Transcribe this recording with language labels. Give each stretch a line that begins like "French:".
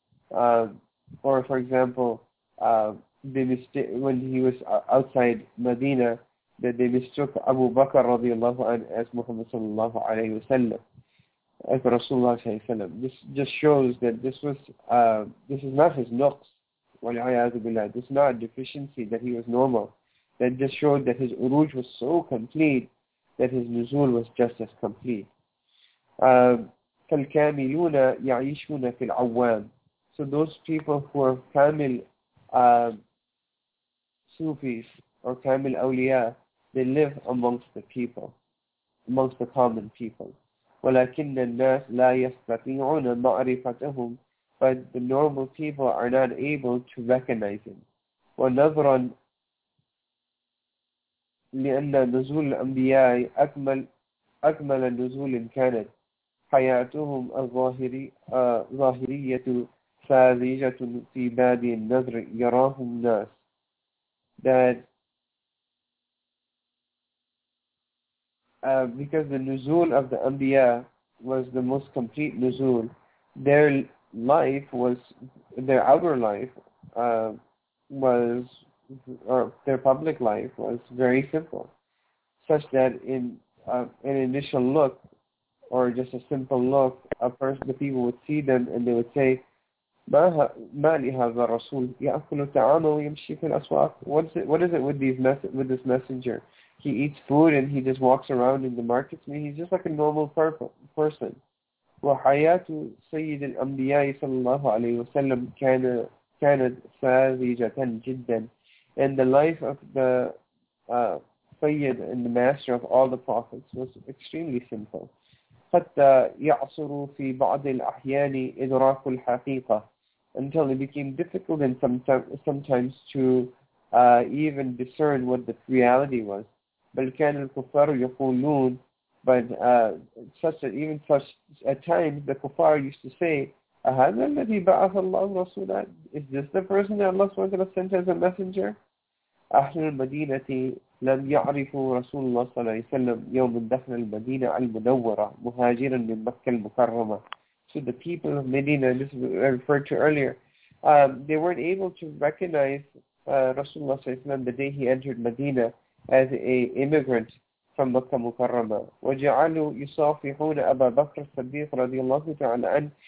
English: Or for example, when he was outside Medina, that they mistook Abu Bakr radiallahu anhu as Muhammad sallallahu alayhi wa sallam, as Rasulullah sallallahu alayhi wa sallam. This just shows that this was this is not his nuqs, wal-ayyadu billah. This is not a deficiency, that he was normal. That just showed that his uruj was so complete that his nuzul was just as complete.
Arabic: فالكاملون يعيشون في العوام.
English: So those people who are Kamil Sufis or Kamil Awliya, they live amongst the people, amongst the common people.
Arabic: ولكن الناس لا يستطيعون معرفتهم,
English: but the normal people are not able to recognize him.
Arabic: ونظرا لأن نزول الأنبياء أكمل نزول كانت حياتهم الظاهرية ساذجة في بادي النظر يراهم الناس.
English: That because the nuzul of the Anbiya was the most complete nuzul, their life was, their outer life was, or their public life was very simple, such that in an initial look, or just a simple look, a person, the people would see them and they would say,
Arabic: ما لهذا الرسول يأكل الطعام ويمشي في الأسواق.
English: What is it with these with this messenger? He eats food and he just walks around in the markets. I mean, he's just like a normal person.
Arabic: وحياة سيد الأنبياء صلى الله عليه وسلم كانت ساذجة جدا.
English: And the life of the Sayyid and the master of all the prophets was extremely simple.
Arabic: حتى يعصر في بعض الأحيان إدراك الحقيقة.
English: Until it became difficult and sometimes to even discern what the reality was.
Arabic: بل كان الكفار يقولون,
English: but such that even such at times the kuffar used to say,
Arabic: أهذا الذي بعث الله رسولا?
English: Is this the person that Allah SWT sent as a messenger?
Arabic: أهل المدينة لم يعرفوا رسول الله صلى الله عليه وسلم يوم دخل المدينة المنورة مهاجرا من مكة المكرمة.
English: So the people of Medina, this I referred to earlier, they weren't able to recognize Rasulullah sallallahu alayhi wa sallam the day he entered Medina as a immigrant from Makkah Mukarramah.
Arabic: وَجَعَلُوا يُصَافِحُونَ أَبَا بَكْرَ الصَّدِّيقَ رَضِيَ اللَّهُ تَعَالَ عَنْهُ.